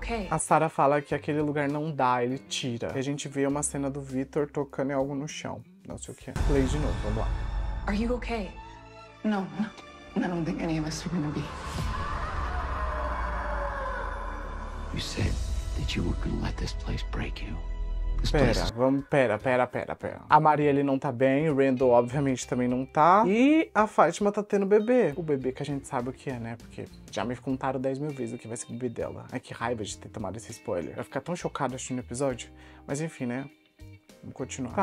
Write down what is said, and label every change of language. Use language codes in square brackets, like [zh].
[pt] A Sarah fala que aquele lugar não dá, ele tira. E a gente vê uma cena do Victor tocando em algo no chão. Não sei o que é. Play de novo, vamos lá. [en] Are you okay? No, no, I don't think any of us are gonna be. You said that you were gonna let this place break you. [pt] Pera, vamos, pera. A Marielle não tá bem, o Randall obviamente também não tá. E a Fátima tá tendo bebê. O bebê que a gente sabe o que é, né? Porque já me contaram 10 mil vezes o que vai ser o bebê dela. Ai, que raiva de ter tomado esse spoiler. Vai ficar tão chocado assistindo o episódio. Mas enfim, né? Vamos continuar.